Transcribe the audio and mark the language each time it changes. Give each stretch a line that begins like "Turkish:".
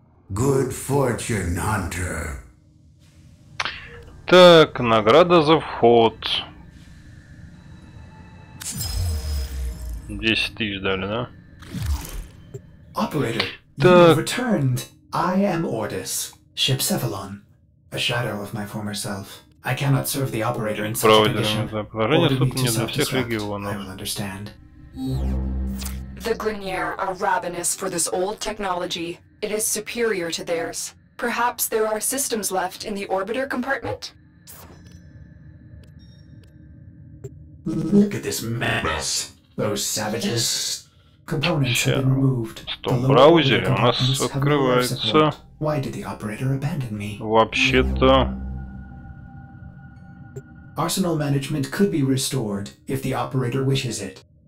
English: Good fortune, Hunter.
Russian: Так, награда за вход. 10 000 дали, да? Operator, так.
English: You have returned. I am Ordis, ship Cephalon, a shadow of my former self. I cannot serve the operator in such a condition.
Russian: Правильно, тут не для всех регионов.
English: I will understand. The Glenier are ravenous for this old technology. It is superior to theirs. Perhaps there are systems left in the orbiter compartment? Look at this mess. Those savages. Components have been removed.
Russian: Стоп, браузер у нас открывается.
English: Why did the operator abandon me?
Russian: Вообще-то...
English: Arsenal management could be restored, if the operator wishes it.